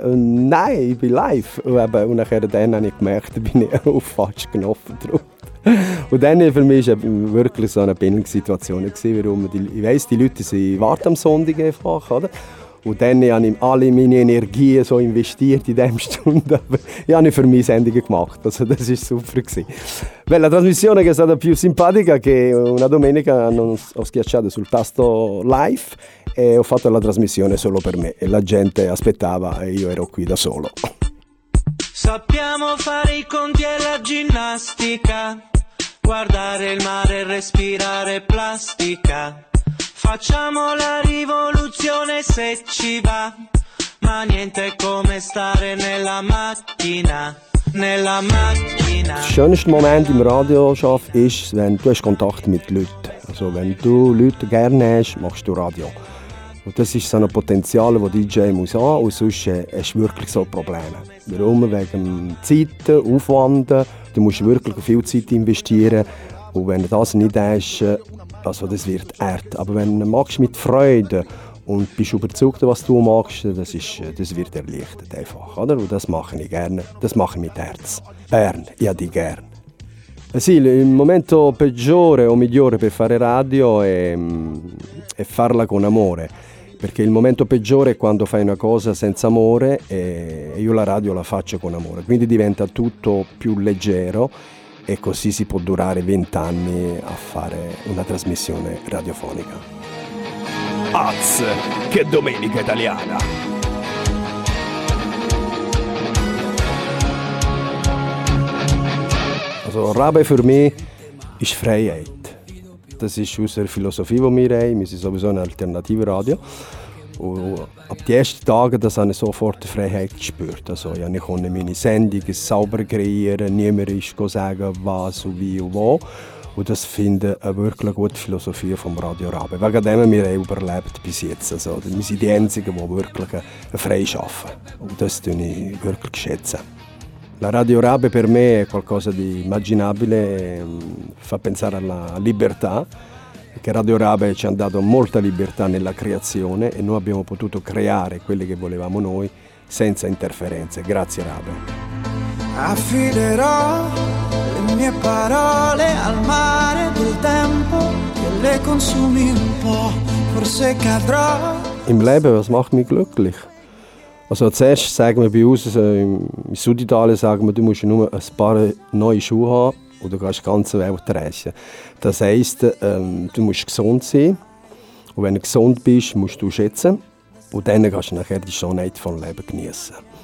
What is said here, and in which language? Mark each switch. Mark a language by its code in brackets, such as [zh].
[de] Und nein, ich bin live. Und, eben, und nachher dann habe ich gemerkt, bin ich auf falsch genommen drauf. Und dann für mich war es wirklich so eine Bindungssituation. Warum die, ich weiss, die Leute warten am Sonntag einfach. Oder? Und dann habe ich alle meine Energie so investiert in diese Stunde. Aber ich habe für mich Sendungen gemacht. Also das war super. [it] Beh, la trasmissione che è stata più simpatica che una domenica ho schiacciato sul tasto live e ho fatto la trasmissione solo per me. E la gente aspettava e io ero qui da solo. Sappiamo fare i conti e la ginnastica, guardare il mare e respirare plastica. Facciamo la rivoluzione se ci va, ma niente come stare nella macchina. Nella macchina. [de] Il schönste Moment im Radio Schaff ist, wenn du Kontakt mit Leuten hast. Also, wenn du Leute gerne hast, machst du Radio. Und das ist so ein Potenzial, das DJ muss haben, und sonst hast du wirklich so Probleme. Warum? Wegen Zeit, Aufwand, du musst wirklich viel Zeit investieren. Und wenn du das nicht hast, also das wird hart. Aber wenn du machst mit Freude und bist überzeugt, was du machst, das wird erleichtert einfach. Oder? Und das mache ich gerne, das mache ich mit Herz. Bern, ich habe dich gerne. [it] Sì, il momento peggiore o migliore per fare radio è farla con amore, perché il momento peggiore è quando fai una cosa senza amore e io la radio la faccio con amore, quindi diventa tutto più leggero e così si può durare 20 anni a fare una trasmissione radiofonica. Az, che domenica italiana! [de] Also Rabe für mich ist Freiheit. Das ist unsere Philosophie, die wir haben. Wir sind sowieso ein alternatives Radio. Und ab den ersten Tagen das habe ich sofort die Freiheit gespürt. Also ich konnte meine Sendung sauber kreieren, niemand ist sagen, was und wie und wo. Und das finde ich eine wirklich gute Philosophie vom Radio Rabe. Wegen dem haben wir überlebt bis jetzt. Also wir sind die Einzigen, die wirklich frei arbeiten. Und das schätze ich wirklich. [it] La Radio Rabe per me è qualcosa di immaginabile, fa pensare alla libertà, perché Radio Rabe ci ha dato molta libertà nella creazione e noi abbiamo potuto creare quelle che volevamo noi senza interferenze. Grazie Rabe. Affiderò le mie parole al mare del tempo che le consumi un po', forse cadrò. [de] Im Leben, was macht mich glücklich? Also zuerst sagen wir bei uns, im Süditalien sagen wir, du musst nur ein paar neue Schuhe haben und du kannst die ganze Welt reisen. Das heisst, du musst gesund sein und wenn du gesund bist, musst du schätzen und dann kannst du nachher die Schönheit vom Leben genießen.